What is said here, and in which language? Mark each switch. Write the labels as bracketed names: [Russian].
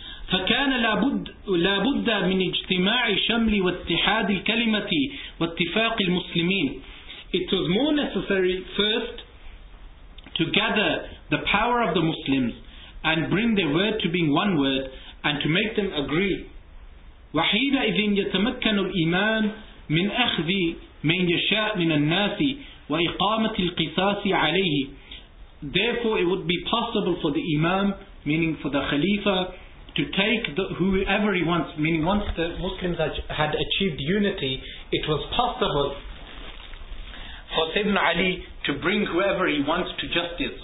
[Arabic] فَكَانَ لَابُدَّ مِنْ اجْتِمَاعِ شَمْلِ وَاتِّحَادِ الْكَلِمَةِ وَاتِّفَاقِ الْمُسْلِمِينَ. [English] It was more necessary first to gather the power of the Muslims and bring their word to being one word and to make them agree. [Arabic] وَحِينَئِذٍ يَتَمَكَّنُ الْإِمَامُ من أخذ من يشاء من الناس وإقامة القصاص عليه. [English] Therefore it would be possible for the Imam, meaning for the Khalifa, to take whoever he wants, meaning once the Muslims had achieved unity, it was possible for Sayyidina Ali to bring whoever he wants to justice.